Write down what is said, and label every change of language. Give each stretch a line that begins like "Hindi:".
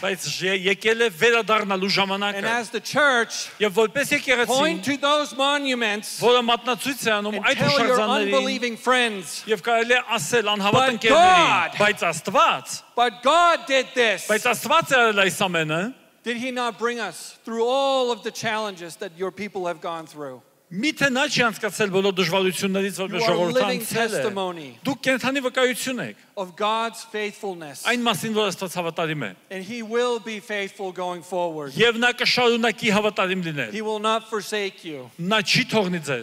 Armenian: Բայց եկել է վերադառնալու ժամանակը։
English: And as the church,
Armenian: Եվ որպես եկեղեցին,
English: point to those monuments.
Armenian: Որը մատնացույց է անում այդ հուշարձաններին։ Եվ կարելի է ասել անհավատ ընկերներին, բայց Աստված։
English: But God did this.
Armenian: Բայց Աստված արել այս ամենը։
English: Did he not bring us through all of the challenges that your people have gone through?
Armenian: Միթե նա չի անցկացել բոլոր դժվարություններից, որ մեր ժողովրդան ցել է։ Դուք կենթանի վկայություն եք
English: of God's faithfulness.
Armenian: Այն մասին, որ Աստված հավատարիմ է։
English: And he will be faithful going forward.
Armenian: Եվ նա կշարունակի հավատարիմ լինել։
English: He will not forsake you.
Armenian: Նա չի թողնի ձեզ։